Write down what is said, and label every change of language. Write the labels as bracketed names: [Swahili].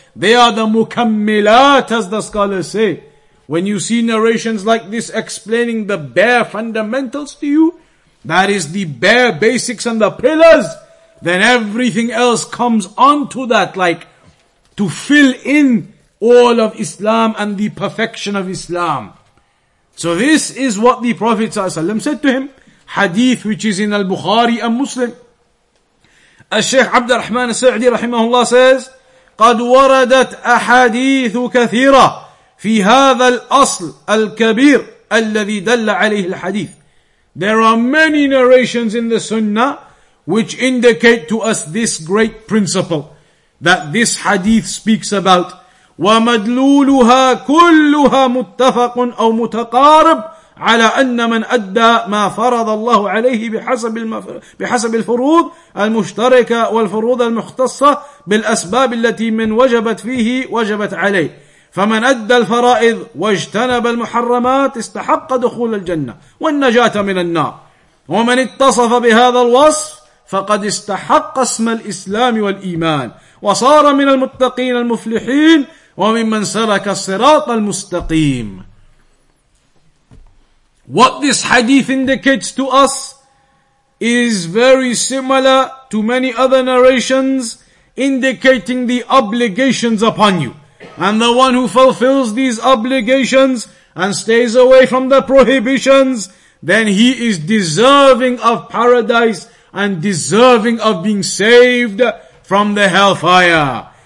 [English] They are the mukammilat, as the scholars say. When you see narrations like this explaining the bare fundamentals to you, that is the bare basics and the pillars, then everything else comes onto that, like to fill in all of Islam and the perfection of Islam. So this is what the Prophet ﷺ said to him. Hadith which is in Al-Bukhari and Muslim. [Arabic] الشيخ عبد الرحمن السعدي رحمه الله [English] says, [Arabic] قد وردت أحاديث كثيرة في هذا الأصل الكبير الذي دل عليه الحديث. [English] There are many narrations in the Sunnah which indicate to us this great principle that this hadith speaks about. [Arabic] ومدلولها كلها متفق أو متقارب على أن من أدى ما فرض الله عليه بحسب الفروض المشتركة والفروض المختصة بالأسباب التي من وجبت فيه وجبت عليه فمن أدى الفرائض واجتنب المحرمات استحق دخول الجنة والنجاة من النار ومن اتصف بهذا الوصف فقد استحق اسم الإسلام والإيمان وصار من المتقين المفلحين وممن سلك الصراط المستقيم. [English] What this hadith indicates to us is very similar to many other narrations indicating the obligations upon you. And the one who fulfills these obligations and stays away from the prohibitions, then he is deserving of paradise and deserving of being saved from the hellfire.